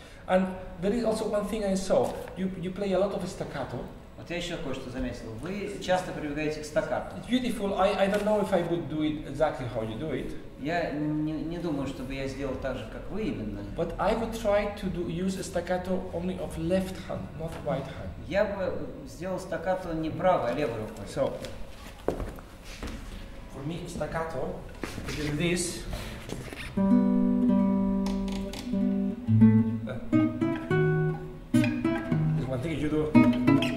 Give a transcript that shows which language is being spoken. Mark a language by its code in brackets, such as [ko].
[en] And there is also one thing I saw. You play a lot of staccato. [ru] Вот я еще кое-что заметил. Вы часто прибегаете к стаккато. [en] It's beautiful. I don't know if I would do it exactly how you do it. [ru] Я не думаю, чтобы я сделал так же, как вы именно. [en] But I would try to use staccato only of left hand, not right hand. [ru] Я бы сделал стаккато не правой, а левой рукой. [en] So, for me, staccato is like this. This one thing you do.